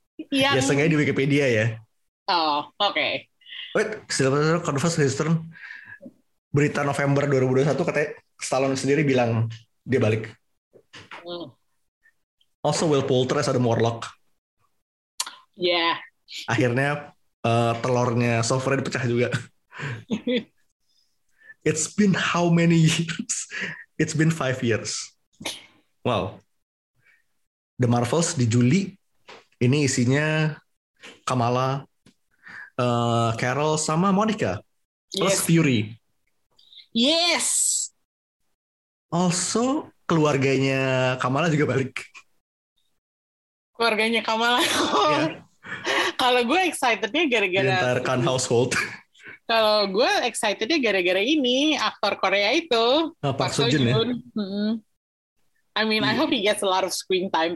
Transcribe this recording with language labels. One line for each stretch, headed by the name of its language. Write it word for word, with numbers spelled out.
Indonesian: Yang... Ya, sengaja di Wikipedia ya. Oh, oke. Okay.
English: Wait, Sylvester confirms his return.
Indonesian: Berita November dua ribu dua puluh satu katanya Stallone sendiri bilang dia balik. Mm.
English: Also Will Poulter as Adam Warlock. Ya. Yeah.
Indonesian: Akhirnya uh, telurnya software dipecah juga.
English: It's been how many years? It's been five years. Wow.
Indonesian: The Marvels di Juli. Ini isinya Kamala, uh, Carol, sama Monica. Plus yes. Fury. Yes. Also keluarganya Kamala juga balik. Keluarganya Kamala. Yeah. Kalau gue excitednya gara-gara
English: the entire Khan household.
Indonesian: Kalau gue excitednya gara-gara ini aktor Korea itu nah, Park Seo Joon. Ya? Hmm.
English: I mean, yeah. I hope he gets a lot of screen time.